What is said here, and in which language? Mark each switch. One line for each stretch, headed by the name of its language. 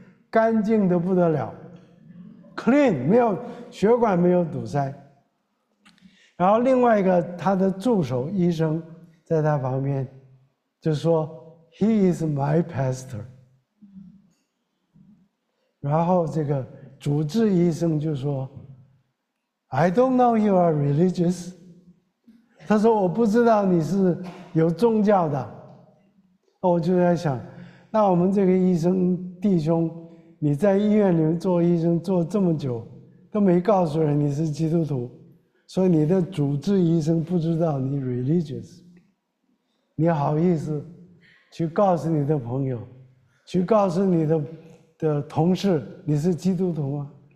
Chinese: 干净的不得了 ，clean， 没有血管没有堵塞。然后另外一个他的助手医生在他旁边就说 ，
English: He is my pastor。
Chinese: 然后这个主治医生就说。
English: I don't know you are religious.
Chinese: 他说我不知道你是有宗教的。我就在想，那我们这个医生弟兄，你在医院里面做医生做这么久，都没告诉人你是基督徒，所以你的主治医生不知道你 religious， 你好意思去告诉你的朋友，去告诉你的同事你是基督徒吗？